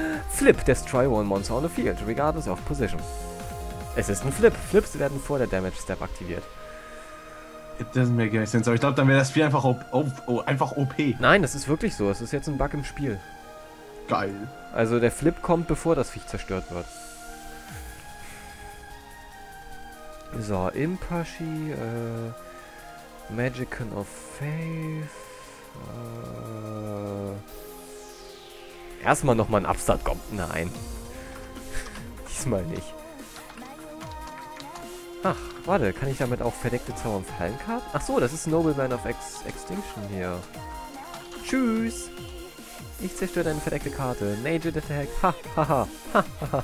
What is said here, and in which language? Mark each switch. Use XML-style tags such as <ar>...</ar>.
<en>Flip, destroy one monster on the field, regardless of position.</en> <de>Es ist ein Flip. Flips werden vor der Damage Step aktiviert.</de> <en>It doesn't make any sense,</en> <de>aber ich glaube, dann wäre das Spiel einfach, einfach OP. Nein, das ist wirklich so. Es ist jetzt ein Bug im Spiel. Geil. Also der Flip kommt, bevor das Viech zerstört wird. So, Impashi, Magician of Faith. Erstmal nochmal ein Upstart kommt. Nein. Diesmal nicht. Ach, warte, kann ich damit auch verdeckte Zauber und Fallenkarten? Ach so, das ist Nobleman of Extinction hier. Tschüss! Ich zerstöre deine verdeckte Karte. Major Attack. Ha, ha, ha. Ha, ha, ha, ha.</de>